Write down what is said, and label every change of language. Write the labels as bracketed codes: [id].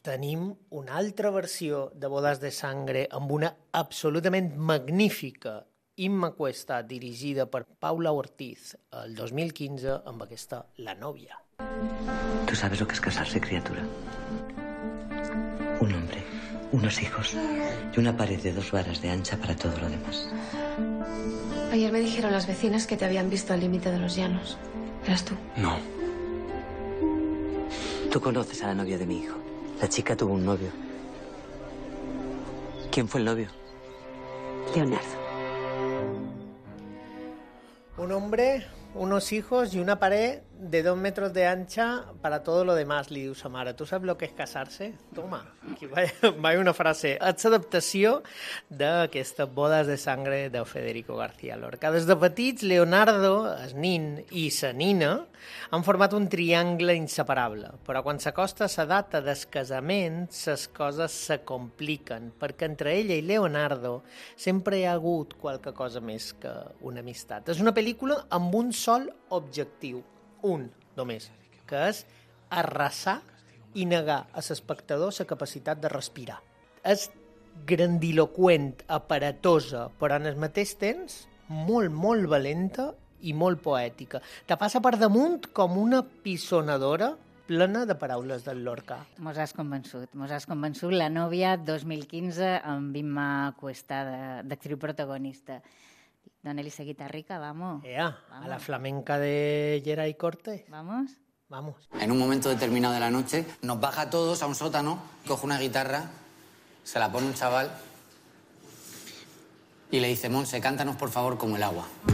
[ca] Tenim una altra versió de Bodas de Sangre amb una absolutament magnífica Imma Cuesta, dirigida per Paula Ortiz, el 2015, amb aquesta La Novia. [es] ¿Tú sabes lo que es casarse, criatura? Un hombre, unos hijos y una pared de dos varas de ancha para todo lo demás. Ayer me dijeron las vecinas que te habían visto al límite de los llanos. ¿Eras tú? No. Tú conoces a la novia de mi hijo. La chica tuvo un novio. ¿Quién fue el novio? Leonardo. Un hombre, unos hijos y una pared de 2 metros de ancha para todo lo demás, [ca] li diu sa mare. [es] ¿Tú sabes lo que es casarse? Toma, aquí va una frase. [ca] És adaptació d'aquestes Bodas de Sangre de Federico García Lorca. Des de petits, Leonardo, el nin, i sa nina han format un triangle inseparable. Però quan s'acosta sa data d'escasament, ses coses se compliquen, perquè entre ella i Leonardo sempre hi ha hagut qualque cosa més que una amistat. És una pel·lícula amb un sol objectiu. Un, només, que és arrasar i negar a l'espectador la capacitat de respirar. És grandiloquent, aparatosa, però en el mateix temps molt, molt valenta i molt poètica. Te passa per damunt com una pisonadora plena de paraules del Lorca. Mos has convençut, mos has convençut. La Novia, 2015, amb Imma Cuesta, d'actriu protagonista. Dona-li la guitarrica, vamos. [es] Ea, vamos. A la flamenca de Geray Cortés. Vamos. Vamos. En un momento determinado de la noche, nos baja a todos a un sótano, coge una guitarra, se la pone un chaval y le dice: "Monse, cántanos, por favor, como el agua".